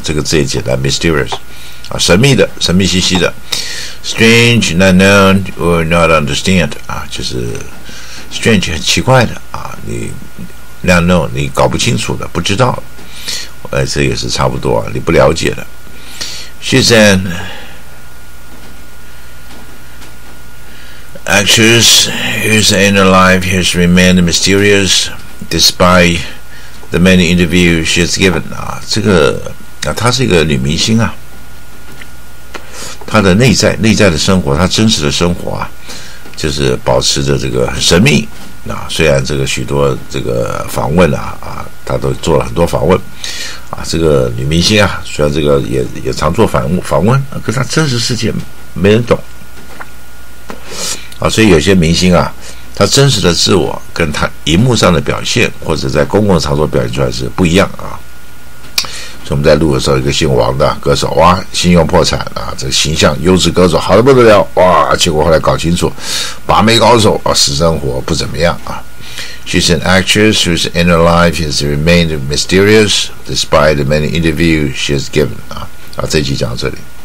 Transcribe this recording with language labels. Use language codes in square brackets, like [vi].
[zh] 这个字也简单 ，mysterious 啊，神秘的，神秘兮兮的 ，strange， [en] not known or not understand [zh] 啊，就是 strange 很奇怪的啊，你 not known 你搞不清楚的，不知道，这也是差不多啊，你不了解的。 [en] She's an actress whose inner life has remained mysterious despite the many interviews she's given. [zh] 啊，这个啊，她是一个女明星啊。她的内在的生活，她真实的生活啊，就是保持着这个很神秘啊。虽然这个许多这个访问啊，他都做了很多访问啊。这个女明星啊，虽然这个也常做访问、啊、可是她真实世界没人懂啊。所以有些明星啊，他真实的自我跟他荧幕上的表现或者在公共场所表现出来是不一样啊。所以我们在录的时候，一个姓王的歌手哇，信用破产啊，这形象优质歌手好得不得了哇，结果后来搞清楚，把妹高手啊，私生活不怎么样啊。 [en] She's an actress whose inner life has remained mysterious despite the many interviews she has given 啊， [zh] 这集讲到这里。